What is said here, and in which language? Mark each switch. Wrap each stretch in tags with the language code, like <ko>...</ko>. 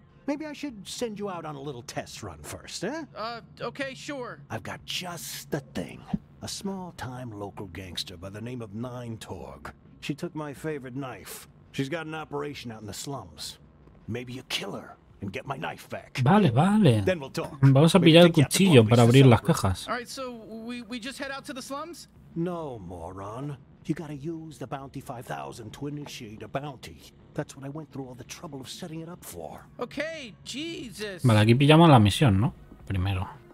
<en>Maybe I should send you out on a little test run first, eh? Okay, sure. I've got just the thing. A small-time local gangster by the name of Nine Torg. She took my favorite knife. She's got an operation out in the slums. Maybe you kill her and get my knife back.</en> <es>Vale, vale.</es> <en>Then we'll talk.</en> <es>Vamos a pillar el cuchillo para abrir las cajas.</es> <en>All right, so we just head out to the slums? No, moron. You gotta use the bounty 5,000 to initiate a bounty. That's what I went through all the trouble of setting it up for. Okay, Jesus.</en> <es>Vale, aquí pillamos la misión, ¿no? Primero.</es>